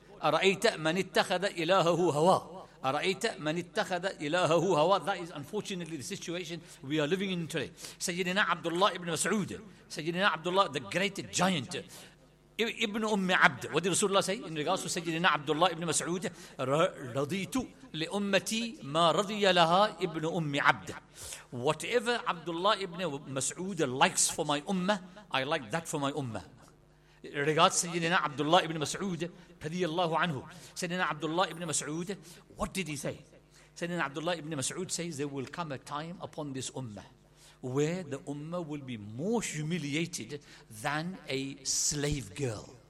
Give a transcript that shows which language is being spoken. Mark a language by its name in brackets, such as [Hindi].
[Arabic] أَرَأَيْتَ مَنِ اتَّخَذَ إِلَاهَهُ هَوَى أَرَأَيْتَ مَنِ اتَّخَذَ إِلَاهَهُ هَوَى. [English] That is unfortunately the situation we are living in today. Sayyidina Abdullah ibn Mas'ud, Sayyidina Abdullah, the great giant, ibn Umm Abd. What did Rasulullah say in regards to Sayyidina Abdullah ibn Mas'ud? [Arabic] رَضِيتُ لِأُمَّتِي مَا رَضِيَ لَهَا ibn Umm Abd. [English] Whatever Abdullah ibn Mas'ud likes for my ummah, I like that for my ummah. Regards Sayyidina Abdullah ibn Mas'ud, radiyallahu anhu. Sayyidina Abdullah ibn Mas'ud, what did he say? Sayyidina Abdullah ibn Mas'ud says, there will come a time upon this ummah where the ummah will be more humiliated than a slave girl.